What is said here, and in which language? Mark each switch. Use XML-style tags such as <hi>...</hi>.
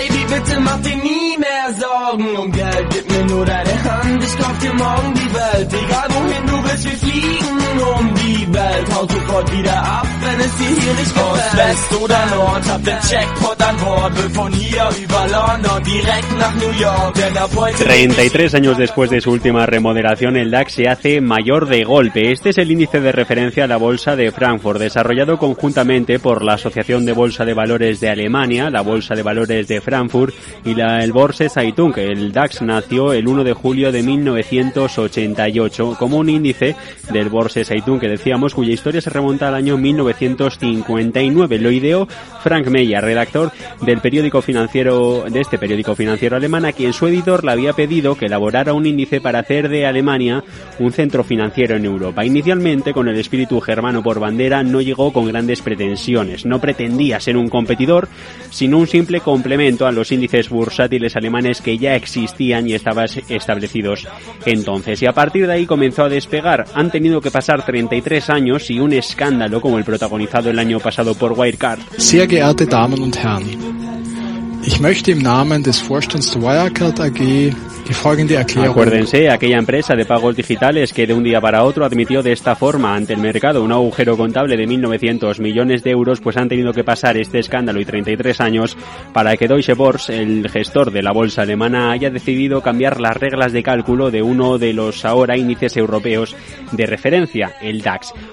<de>Bitte mach dir nie mehr Sorgen um Geld, gib mir nur deine Hand, ich kauf dir morgen die Welt. Egal wohin du willst, wir fliegen um die Welt. Hau sofort wieder ab, wenn es dir hier nicht gefällt. Aus West oder Nord, hab den Checkpot an Bord. Will von hier über London, direkt nach New York. Denn ab heute...</de> <es>33 años después de su última remodelación, el DAX se hace mayor de golpe. Este es el índice de referencia a la Bolsa de Frankfurt, desarrollado conjuntamente por la Asociación de Bolsa de Valores de Alemania, la Bolsa de Valores de Frankfurt y el Börse Zeitung. El DAX nació el 1 de julio de 1988 como un índice del Börse Zeitung, que decíamos, cuya historia se remonta al año 1959. Lo ideó Frank Meyer, redactor del periódico financiero, de este periódico financiero alemán, a quien su editor le había pedido que elaborara un índice para hacer de Alemania un centro financiero en Europa. Inicialmente, con el espíritu germano por bandera, no llegó con grandes pretensiones. No pretendía ser un competidor, sino un simple complemento a los índices bursátiles alemanes que ya existían y estaban establecidos entonces. Y a partir de ahí comenzó a despegar. Han tenido que pasar 33 años y un escándalo como el protagonizado el año pasado por Wirecard.</es> <de>Sehr geehrte Damen und Herren, ich möchte im Namen des Vorstands der Wirecard AG die folgende Erklärung.</de> <es>Acuérdense, aquella empresa de pagos digitales que de un día para otro admitió de esta forma ante el mercado un agujero contable de 1.900 millones de euros, pues han tenido que pasar este escándalo y 33 años para que Deutsche Börse, el gestor de la bolsa alemana, haya decidido cambiar las reglas de cálculo de uno de los ahora índices europeos de referencia, el DAX.</es>